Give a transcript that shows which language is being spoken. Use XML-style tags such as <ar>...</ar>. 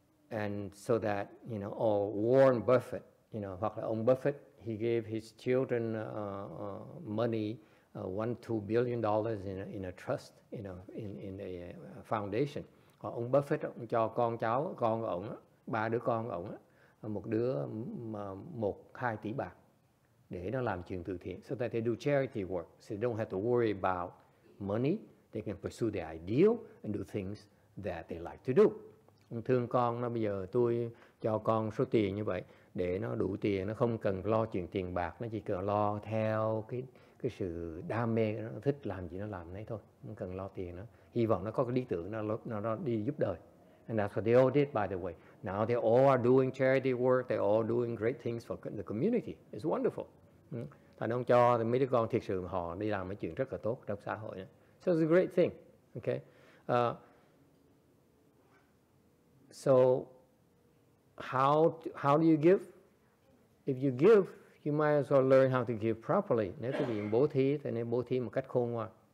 <en>And so that, you know, or Warren Buffett, you know,</en> <vi>hoặc là ông Buffett,</vi> <en>he gave his children money, $1-2 billion in a trust, you know, in a foundation.</en> <vi>Còn ông Buffett ông cho con cháu, con của ông, ba đứa con của ông, một đứa 1-2 tỷ bạc để nó làm chuyện từ thiện.</vi> <en>So that they do charity work, so they don't have to worry about money, they can pursue their ideal and do things that they like to do.</en> <vi>Ông thương con nó, bây giờ tôi cho con số tiền như vậy để nó đủ tiền, nó không cần lo chuyện tiền bạc, nó chỉ cần lo theo cái sự đam mê, nó thích làm gì nó làm đấy thôi, không cần lo tiền nữa. Hy vọng nó có cái lý tưởng nó đi giúp đời.</vi> <en>And that's what they all did, by the way. Now they all are doing charity work, they all doing great things for the community. It's wonderful.</en> <vi>Thành ông cho thì mấy đứa con thiệt sự họ đi làm cái chuyện rất là tốt trong xã hội.</vi> <en>So it's a great thing. Okay. So how do you give? If you give, you might as well learn how to give properly.</en> <vi>Nếu quý vị bố thí thì nên bố thí một cách khôn ngoan.</vi>